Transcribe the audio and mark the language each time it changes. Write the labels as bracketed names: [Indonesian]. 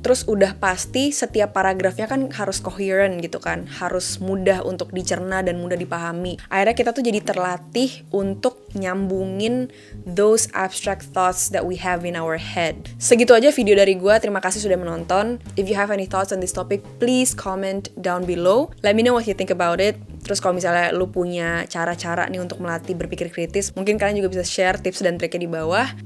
[Indonesian] Terus udah pasti setiap paragrafnya kan harus coherent gitu kan. Harus mudah untuk dicerna dan mudah dipahami. Akhirnya kita tuh jadi terlatih untuk nyambungin those abstract thoughts that we have in our head. Segitu aja video dari gue, terima kasih sudah menonton. [English] If you have any thoughts on this topic, please comment down below. Let me know what you think about it. [Indonesian] Terus kalau misalnya lu punya cara-cara nih untuk melatih berpikir kritis, mungkin kalian juga bisa share tips dan triknya di bawah.